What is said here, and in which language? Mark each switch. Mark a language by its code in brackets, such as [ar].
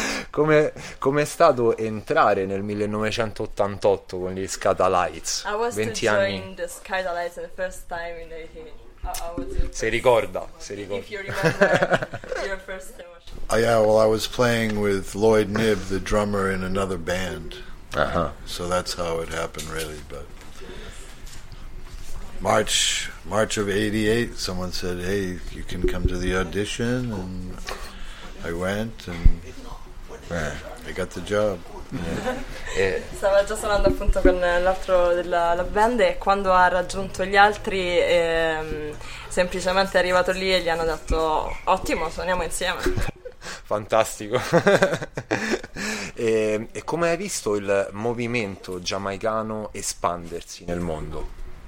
[it] Come è stato entrare nel 1988 con gli Scatalites? 20 anni. [en] I was joining the Scatalites the first time in 88. [it] Se ricorda. [en] If you remember your first emotion. Yeah, well, I was playing with Lloyd Nibb, the drummer in another band. Uh-huh. So that's how it happened really, but March of 88, someone said, hey, you can come to the audition, and I went, and I got the job. [it] Stava già suonando appunto con l'altro della band, e quando ha raggiunto gli altri, semplicemente è arrivato lì e gli hanno detto, ottimo, suoniamo insieme. Fantastico. E come hai visto il movimento giamaicano espandersi nel mondo?